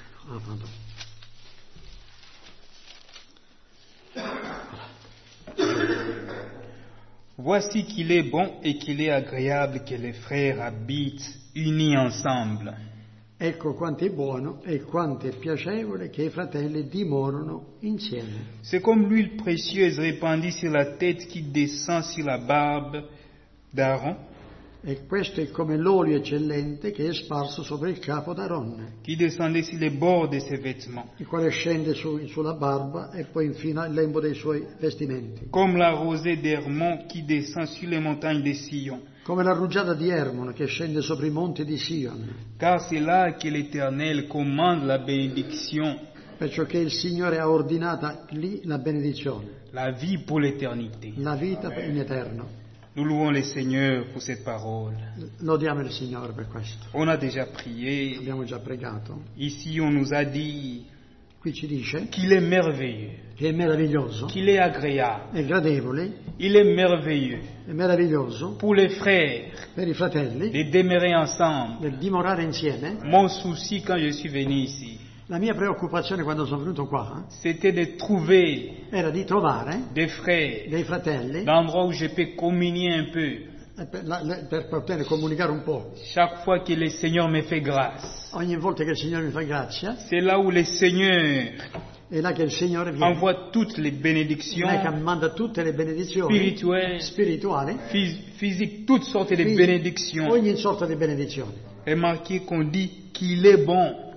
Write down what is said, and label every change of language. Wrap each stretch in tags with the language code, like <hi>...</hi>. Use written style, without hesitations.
<fr>Ah, pardon. Voici qu'il est bon et qu'il est agréable que les frères habitent unis ensemble.</fr> <it>Ecco quanto è buono e quanto è piacevole che i fratelli dimorano insieme.</it> <fr>C'est comme l'huile précieuse répandue sur la tête qui descend sur la barbe d'Aaron.</fr> <it>E questo è come l'olio eccellente che è sparso sopra il capo d'Aronne.</it> <fr>Qui descende sur les bords de ses vêtements.</fr> <it>Il quale scende sulla barba e poi infine al lembo dei suoi vestimenti.</it> <fr>Come la rosée d'Hermon qui descend sur les montagnes de Sion.</fr> <it>Come la rugiada di Hermon che scende sopra i monti di Sion.</it> <fr>Car c'est là que l'Éternel commande la bénédiction.</fr> <it>Perciò che il Signore ha ordinata lì la benedizione.</it> <fr>La vie pour l'éternité.</fr> <it>La vita in eterno.</it> <fr>Nous louons le Seigneur pour cette parole.</fr> <it>Lodiamo il Signore per questo.</it> <fr>On a déjà prié.</fr> <it>Abbiamo già pregato.</it> <fr>Ici on nous a dit.</fr> <it>Qui ci dice?</it> <fr>Qu'il est merveilleux.</fr> <it>Che è meraviglioso.</it> <fr>Qu'il est agréable.</fr> <it>È gradevole.</it> <fr>Il est merveilleux.</fr> <it>È meraviglioso.</it> <fr>Pour les frères.</fr> <it>Per i fratelli.</it> <fr>De demeurer ensemble.</fr> <it>Di dimorare insieme.</it> <fr>Mon souci quand je suis venu ici.</fr> <it>La mia preoccupazione quando sono venuto qua c'était de trouver era di trovare</it> <fr>des frères,</fr> <it>dei fratelli</it> <fr>l'endroit où je peux communier un peu</fr> <it>per poter comunicare un po'</it> <fr>chaque fois que le Seigneur me fait grâce</fr> <it>ogni volta che il Signore mi fa grazia</it> <fr>c'est là où le Seigneur</fr> <it>è là che il Signore viene</it> <fr>envoie toutes les bénédictions</fr> <it>là che manda tutte le benedizioni spirituali</it> <fr>physique toutes sortes de bénédictions</fr> <it>ogni sorta di benedizioni</it> <fr>è marqué qu'on dit qu'il est bon.</fr>